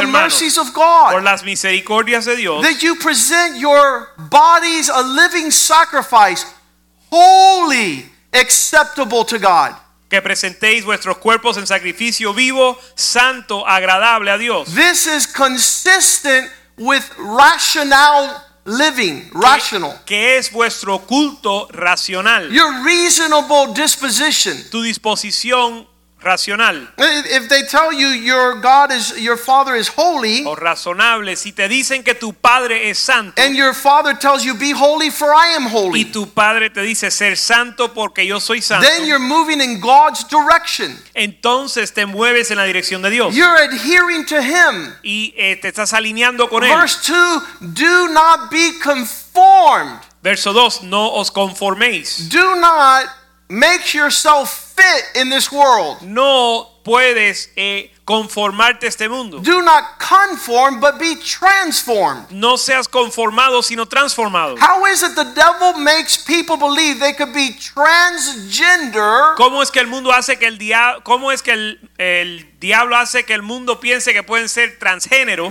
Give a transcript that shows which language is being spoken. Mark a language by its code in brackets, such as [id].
[en] by the mercies of God, [es] por las misericordias de Dios, [en] that you present your bodies a living sacrifice, holy, acceptable to God. [es] Que presentéis vuestros cuerpos en sacrificio vivo, santo, agradable a Dios. [en] This is consistent with rational living, rational. [es] ¿Qué es vuestro culto racional? [en] Your reasonable disposition. [es] Tu disposición racional. [en] If they tell you your God is, your father is holy, [es] o razonable, si te dicen que tu padre es santo, [en] and your father tells you be holy for I am holy, [es] y tu padre te dice ser santo porque yo soy santo, [en] then you're moving in God's direction. [es] Entonces te mueves en la dirección de Dios. [en] You're adhering to him. [es] Y te estás alineando con él. [en] Verse 2, do not be conformed. [es] Verso 2, no os conforméis. [en] Do not make yourself fit in this world. [es] No puedes conformarte a este mundo. [en] Do not conform, but be transformed. [es] No seas conformado, sino transformado. [en] How is it the devil makes people believe they could be transgender? [es] ¿Cómo es que el mundo hace que el diablo, cómo es que el diablo hace que el mundo piense que pueden ser transgénero?